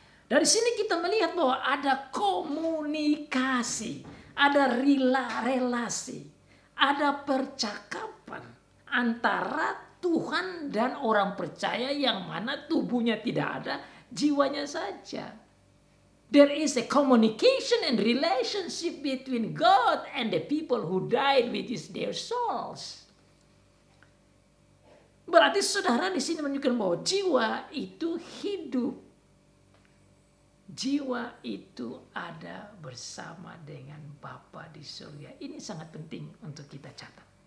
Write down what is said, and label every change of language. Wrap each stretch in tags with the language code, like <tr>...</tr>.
<id>Dari sini kita melihat bahwa ada komunikasi, ada relasi, ada percakapan antara Tuhan dan orang percaya yang mana tubuhnya tidak ada, jiwanya saja.</id> <en>There is a communication and relationship between God and the people who died with their souls.</en> <id>Berarti saudara di sini menunjukkan bahwa jiwa itu hidup. Jiwa itu ada bersama dengan Bapa di surga. Ini sangat penting untuk kita catat.</id>